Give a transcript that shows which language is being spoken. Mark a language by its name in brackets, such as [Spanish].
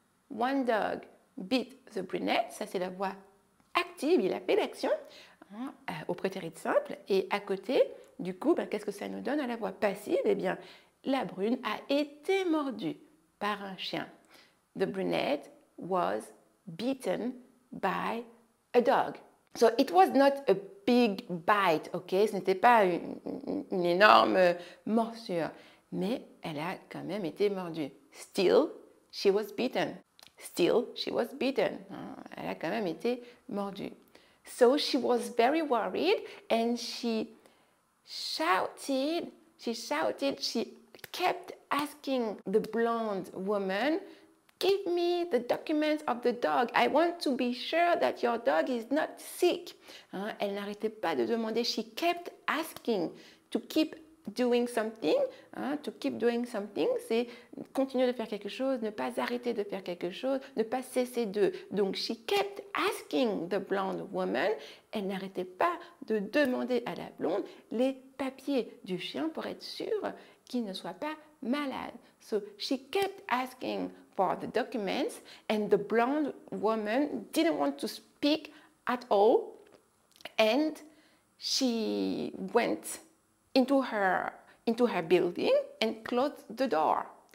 [English] One dog bit the brunette. [French] Ça, c'est la voix active. Il a fait l'action au prétérit simple. Et à côté, du coup, qu'est-ce que ça nous donne à la voix passive? Eh bien, la brune a été mordue par un chien. [English] The brunette was beaten by a dog. So it was not a big bite, ok? [French] Ce n'était pas une énorme morsure, mais elle a quand même été mordue. [English] Still, she was beaten. Still, she was beaten. [French] Elle a quand même été mordue. [English] So she was very worried and she shouted, she kept asking the blonde woman, give me the documents of the dog. I want to be sure that your dog is not sick. [French] Elle n'arrêtait pas de demander. [English] She kept asking to keep doing something. To keep doing something, [French] c'est continuer de faire quelque chose, ne pas arrêter de faire quelque chose, ne pas cesser de. Donc, [English] she kept asking the blonde woman. [French] Elle n'arrêtait pas de demander à la blonde les papiers du chien pour être sûre qu'il ne soit pas malade. [English] So, she kept asking for the documents and the blonde woman didn't want to speak at all and she went into her building and closed the door.